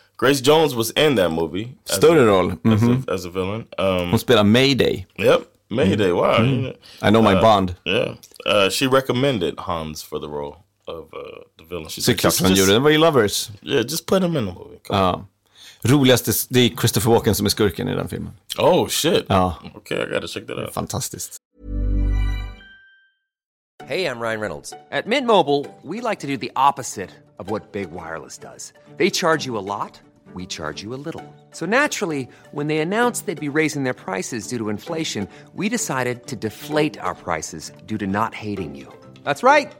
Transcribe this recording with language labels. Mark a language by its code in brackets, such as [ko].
[en] Grace Jones was in that movie. [sv] Större roll. [en] Mm-hmm. As a villain. [sv] Hon spelar Mayday. [en] Yep, Mayday, mm-hmm. wow. Mm-hmm. I know my Bond. Yeah, she recommended Hans for the role of the villain. She said, just, [sv] gjorde det, var ju [en] lovers. Yeah, just put him in the movie, come on. [sv] Roligast, det är Christopher Walken som är skurken i den filmen. [en] Oh shit. [sv] Ja. [en] Okay, I gotta check that out. [sv] Fantastiskt. [en] Hey, I'm Ryan Reynolds. At Mint Mobile, we like to do the opposite of what Big Wireless does. They charge you a lot, we charge you a little. So naturally, when they announced they'd be raising their prices due to inflation, we decided to deflate our prices due to not hating you. That's right.